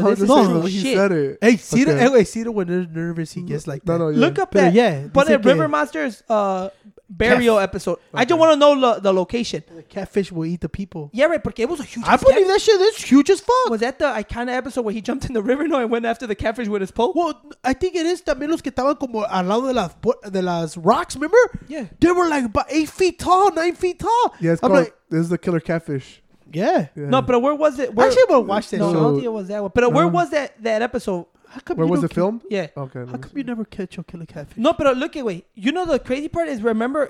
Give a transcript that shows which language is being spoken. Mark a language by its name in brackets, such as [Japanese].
[English] No, he said it. Hey, okay. Cito, when they're nervous, he gets like that. Look up that. Yeah. But in River Monsters burial episode, okay. I just want to know the location. The catfish will eat the people. Yeah, right, because it was a huge catfish. I believe that shit is huge as fuck. Was that the iconic episode where he jumped in the river and went after the catfish with his pole? Well, I think it is. [Spanish] También los que estaban como al lado de las rocks, [English] remember? Yeah. They were like about 8 feet tall, 9 feet tall. Yeah, it's called, this is the killer catfish. Yeah. No, but where was it? I actually want to watch that show. No, I don't think it was that one. But where was that episode? How come where was the film? Yeah. Okay. How come you never catch your killer catfish? No, but look, wait. You know the crazy part is, remember?